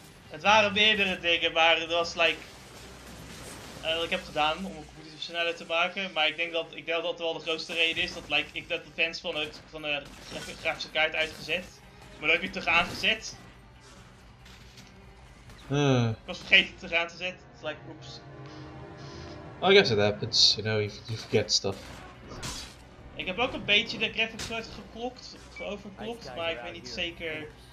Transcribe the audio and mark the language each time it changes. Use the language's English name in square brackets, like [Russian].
[Dutch] Het waren meerdere dingen, maar het was like... wat ik heb gedaan om een computer sneller te maken, maar ik denk dat wel de grootste reden is dat like, ik heb de fans van de grafische kaart uitgezet, maar dat heb je terug aangezet. Ik was vergeten terug aan te zetten, het is like, oeps. [English] I guess it happens, you know, you forget stuff. [Dutch] Ik heb ook een beetje de graphics card geklokt, overklokt, maar ik weet niet zeker...